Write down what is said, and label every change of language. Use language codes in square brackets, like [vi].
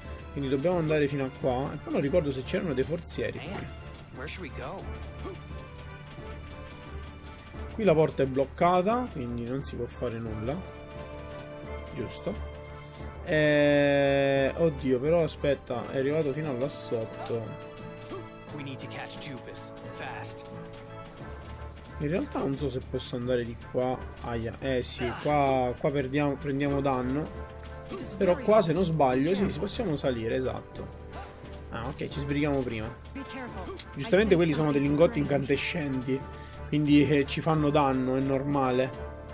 [it] Quindi dobbiamo andare fino a qua. E poi non ricordo se c'erano dei forzieri qui. Qui la porta è bloccata, quindi non si può fare nulla. Giusto. Oddio, però aspetta, è arrivato fino a là sotto. [en] We need to catch Jupus fast. [it] In realtà non so se posso andare di qua. Aia, sì, qua prendiamo danno. Però qua, se non sbaglio, sì, possiamo salire, esatto. Ah, ok, ci sbrighiamo prima. Giustamente quelli sono dei lingotti incandescenti, quindi ci fanno danno, è normale.